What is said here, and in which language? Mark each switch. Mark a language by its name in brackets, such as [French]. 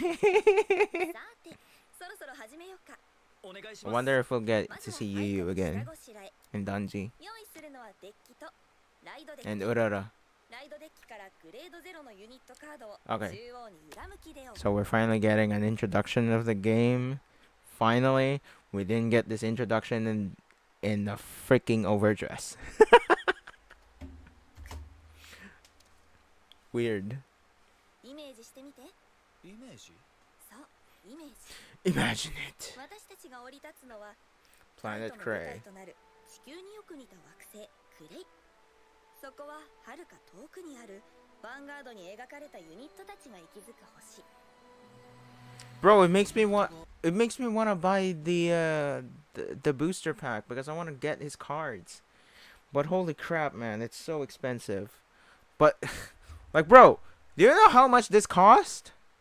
[Japanese] さて、そろそろ始めようか。お願いします。 [English] I wonder if we'll get to see Yu Yu again in Dungeon. [Japanese] 用意するのはデッキとライドデッキ。 [English] And Urara. [Japanese] ライドデッキからグレードゼロのユニットカードを中央に裏向きで置 [English] く。 So we're finally getting an introduction of the game. Finally, we didn't get this introduction in the freaking overdress. Weird. [Japanese] イメージしてみて。イメージ？そう、イメージ。 [English] Imagine it. [Japanese] 私たちが降り立つのは、 [English] Planet Cray. [Japanese] となる地球によく似た惑星クレイ。そこは遥か遠くにあるヴァンガードに描かれたユニットたちが息づく星。 [English] Bro, it makes me wanna buy the booster pack because I wanna get his cards. But holy crap, man, it's so expensive. But like, bro, do you know how much this cost?